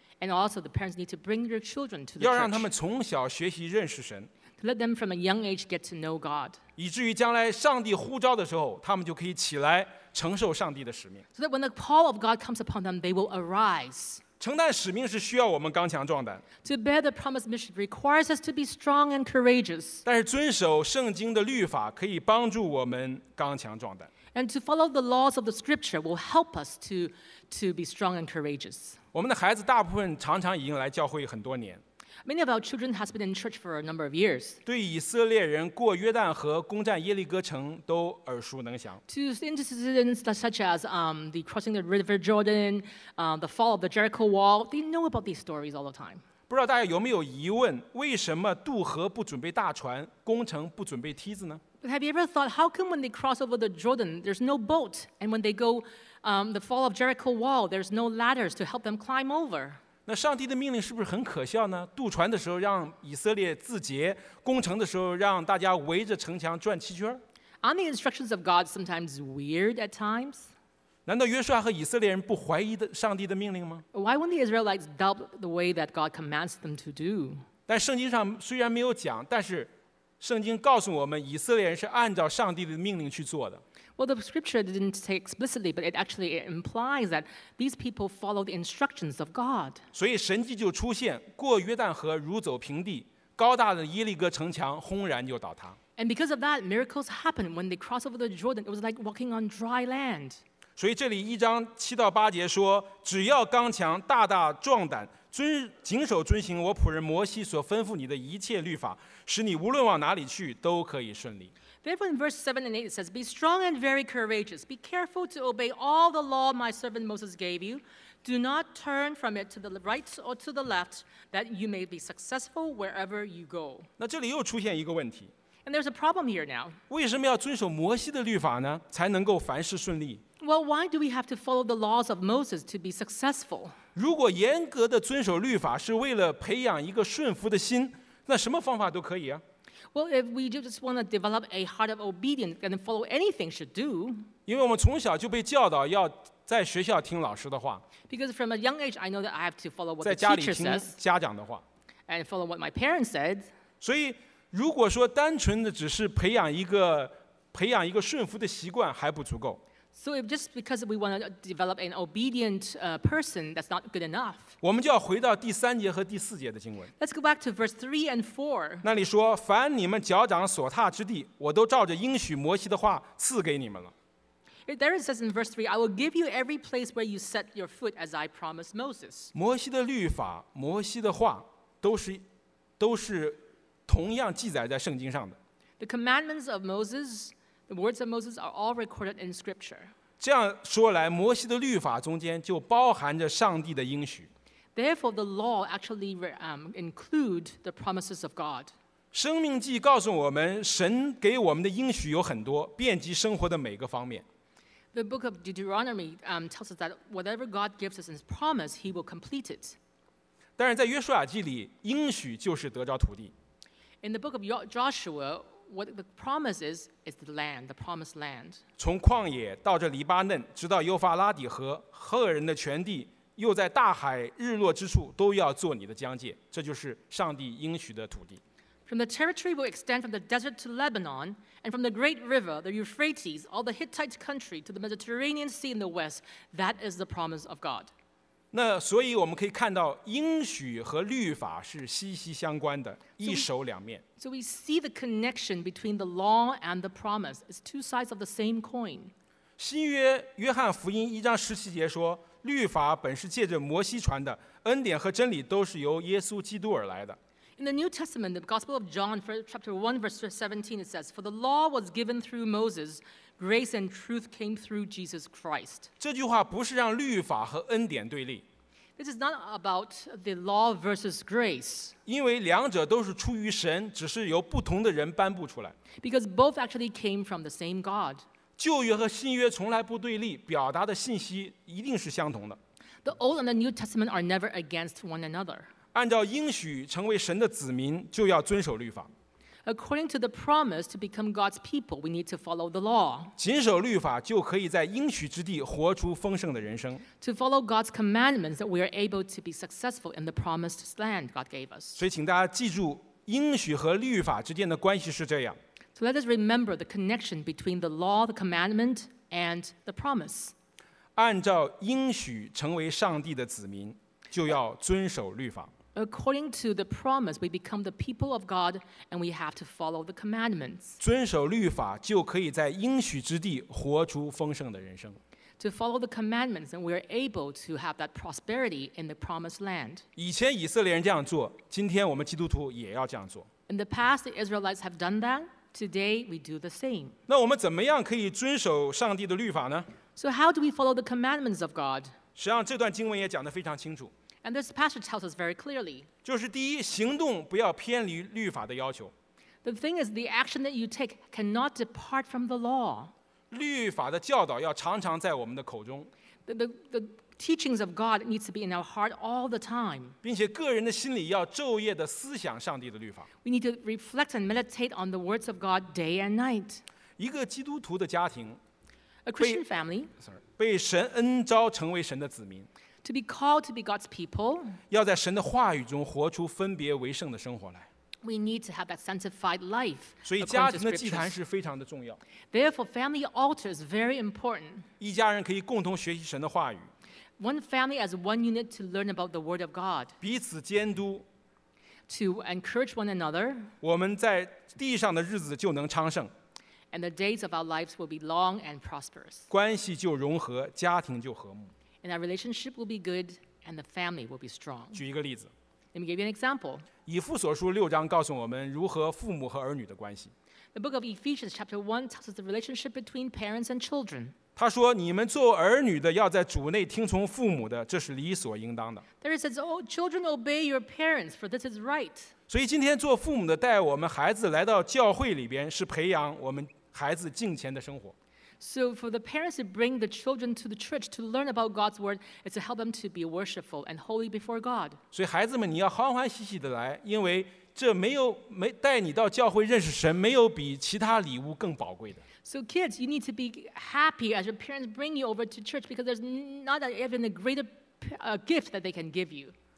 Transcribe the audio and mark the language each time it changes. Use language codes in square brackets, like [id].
[en] And also the parents need to bring their children to the church. [zh] 要让他们从小学习认识神。 [en] To let them from a young age get to know God. [zh] 以至于将来上帝呼召的时候，他们就可以起来承受上帝的使命。 [en] So that when the call of God comes upon them, they will arise. [zh] 承担使命是需要我们刚强壮胆。 [en] To bear the promised mission requires us to be strong and courageous. [zh] 但是遵守圣经的律法可以帮助我们刚强壮胆。 [en] And to follow the laws of the scripture will help us to be strong and courageous. [zh] 我们的孩子大部分常常已经来教会很多年。 [en] Many of our children have been in church for a number of years. [zh] 对以色列人过约旦河攻占耶利哥城都耳熟能详。 [en] To incidents such as the crossing the River Jordan, the fall of the Jericho Wall, they know about these stories all the time. [zh] 不知道大家有没有疑问，为什么渡河不准备大船，攻城不准备梯子呢？ [en] But have you ever thought how come when they cross over the Jordan, there's no boat, and when they go the fall of Jericho Wall, there's no ladders to help them climb over? [zh] 那上帝的命令是不是很可笑呢？渡船的时候让以色列自洁，攻城的时候让大家围着城墙转七圈。 [en] Are the instructions of God sometimes weird at times? [zh] 难道约书亚和以色列人不怀疑上帝的命令吗？ [en] Why wouldn't the Israelites doubt the way that God commands them to do? [zh] 但圣经上虽然没有讲，但是圣经告诉我们以色列人是按照上帝的命令去做的。 [en] Well, the scripture didn't say explicitly, but it actually implies that these people follow the instructions of God. [zh] 所以神迹就出现，过约旦河如走平地，高大的耶利哥城墙轰然就倒塌。 [en] And because of that, miracles happened when they crossed over the Jordan. It was like walking on dry land. [zh] 所以这里一章七到八节说，只要刚强，大大壮胆，谨守遵行我仆人摩西所吩咐你的一切律法，使你无论往哪里去都可以顺利。 [en] Therefore, in verse 7 and 8, it says, Be strong and very courageous. Be careful to obey all the law my servant Moses gave you. Do not turn from it to the right or to the left, that you may be successful wherever you go. [zh] 那这里又出现一个问题。 [en] And there's a problem here now. [zh] 为什么要遵守摩西的律法呢？才能够凡事顺利。 [en] Well, why do we have to follow the laws of Moses to be successful? [zh] 如果严格的遵守律法是为了培养一个顺服的心，那什么方法都可以啊。 [en] Well, if we just want to develop a heart of obedience and follow anything should do. [zh] 因为我们从小就被教导要在学校听老师的话。 [en] Because from a young age, I know that I have to follow what the teacher says. [zh] 在家里听家长的话。 [en] And follow what my parents said. [zh] 所以如果说单纯的只是培养一个顺服的习惯还不足够。 [en] So if just because we want to develop an obedient person, that's not good enough. [zh] 我们就要回到第三节和第四节的经文。 [en] Let's go back to verse 3 and 4. [zh] 那里说，凡你们脚掌所踏之地，我都照着应许摩西的话赐给你们了。 [en] There it says in verse 3, I will give you every place where you set your foot as I promised Moses. [zh] 摩西的律法，摩西的话，都是同样记载在圣经上的。 [en] The commandments of Moses... The words of Moses are all recorded in Scripture. [zh] 这样说来，摩西的律法中间就包含着上帝的应许。 [en] Therefore, the law actually include the promises of God. [zh] 生命记告诉我们，神给我们的应许有很多，遍及生活的每个方面。 [en] The book of Deuteronomy tells us that whatever God gives us in His promise, He will complete it. [zh] 但是在约书亚记里，应许就是得着土地。 [en] In the book of Joshua,What the promise is the land, the promised land. [zh] 从旷野到这黎巴嫩，直到幼发拉底河，赫人的全地，又在大海日落之处，都要做你的疆界。这就是上帝应许的土地。 [en] From the territory will extend from the desert to Lebanon, and from the great river, the Euphrates, all the Hittite country to the Mediterranean Sea in the west. That is the promise of God. [zh] 那所以我们可以看到，应许和律法是息息相关的，一手两面。 [en] So we see the connection between the law and the promise. It's two sides of the same coin. [zh] 新约约翰福音一章十七节说，律法本是借着摩西传的，恩典和真理都是由耶稣基督而来的。 [en] In the New Testament, the Gospel of John, chapter 1, verse 17, it says, For the law was given through Moses, grace and truth came through Jesus Christ. [zh] 这句话不是让律法和恩典对立。 [en] This is not about the law versus grace. [zh] 因为两者都是出于神，只是由不同的人颁布出来。 [en] Because both actually came from the same God. [zh] 旧约和新约从来不对立，表达的信息一定是相同的。 [en] The Old and the New Testament are never against one another. [zh] 按照应许成为神的子民，就要遵守律法。 [en] According to the promise to become God's people, we need to follow the law. [zh] 谨守律法就可以在应许之地活出丰盛的人生。 [en] To follow God's commandments, that we are able to be successful in the promised land God gave us. [zh] 所以请大家记住，应许和律法之间的关系是这样。 [en] So let us remember the connection between the law, the commandment, and the promise. [zh] 按照应许成为上帝的子民，就要遵守律法。 [en] According to the promise, we become the people of God, and we have to follow the commandments. [zh] 遵守律法就可以在应许之地活出丰盛的人生。 [en] To follow the commandments, and we are able to have that prosperity in the promised land. [zh] 以前以色列人这样做，今天我们基督徒也要这样做。 [en] In the past, the Israelites have done that. Today, we do the same. [zh] 那我们怎么样可以遵守上帝的律法呢？ [en] So how do we follow the commandments of God? [zh] 实际上，这段经文也讲得非常清楚。 [en] And this passage tells us very clearly. [zh] 就是第一，行动不要偏离律法的要求。 [en] The thing is, the action that you take cannot depart from the law. [zh] 律法的教导要常常在我们的口中。 [en] The teachings of God needs to be in our heart all the time. [zh] 并且个人的心里要昼夜的思想上帝的律法。 [en] We need to reflect and meditate on the words of God day and night. [zh] 一个基督徒的家庭， [en] A Christian family, [zh] 被神恩召成为神的子民。 [en] To be called to be God's people, [zh] 要在神的话语中活出分别为圣的生活来。 [en] We need to have that sanctified life. [zh] 所以家庭的祭坛是非常的重要。 [en] Therefore, family altar is very important. [zh] 一家人可以共同学习神的话语。 [en] One family as one unit to learn about the word of God. [zh] 彼此监督。 [en] To encourage one another. [zh] 我们在地上的日子就能昌盛。 [en] And the days of our lives will be long and prosperous. [zh] 关系就融合，家庭就和睦。 [en] And that relationship will be good, and the family will be strong. [zh] 举一个例子。 [en] Let me give you an example. [zh] 以弗所书六章告诉我们如何父母和儿女的关系。 [en] The book of Ephesians chapter 1 tells us the relationship between parents and children. [zh] 他说你们做儿女的要在主内听从父母的，这是理所应当的。 [en] There it says, oh, children obey your parents, for this is right. [zh] 所以今天做父母的带我们孩子来到教会里边，是培养我们孩子敬虔的生活。 [en] So for the parents to bring the children to the church to learn about God's word, it's to help them to be worshipful and holy before God. [zh] 所以孩子们，你要欢欢喜喜的来，因为这没有没带你到教会认识神，没有比其他礼物更宝贵的。 [en] So kids, you need to be happy as your parents bring you over to church because there's not even a greater gift that they can give you.